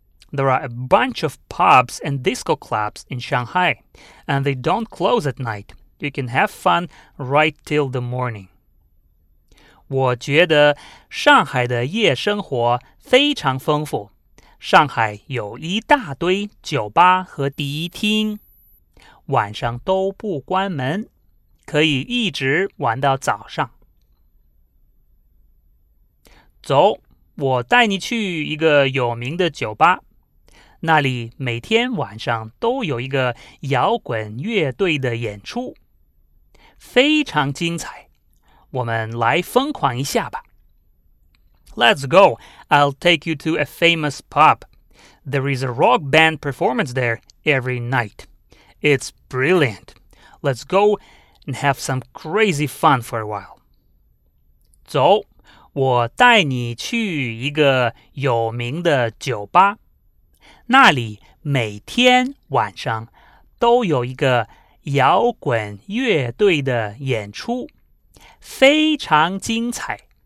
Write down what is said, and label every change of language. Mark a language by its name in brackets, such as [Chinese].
[English] There are a bunch of pubs and disco clubs in Shanghai, and they don't close at night. You can have fun right till the morning. [Chinese] 我觉得上海的夜生活非常丰富。上海有一大堆酒吧和迪厅，晚上都不关门，可以一直玩到早上。走，我带你去一个有名的酒吧，那里每天晚上都有一个摇滚乐队的演出，非常精彩，我们来疯狂一下吧。 [English] Let's go. I'll take you to a famous pub. There is a rock band performance there every night. It's brilliant. Let's go and have some crazy fun for a while. [Chinese] 走，我带你去一个有名的酒吧。那里每天晚上都有一个摇滚乐队的演出，非常精彩。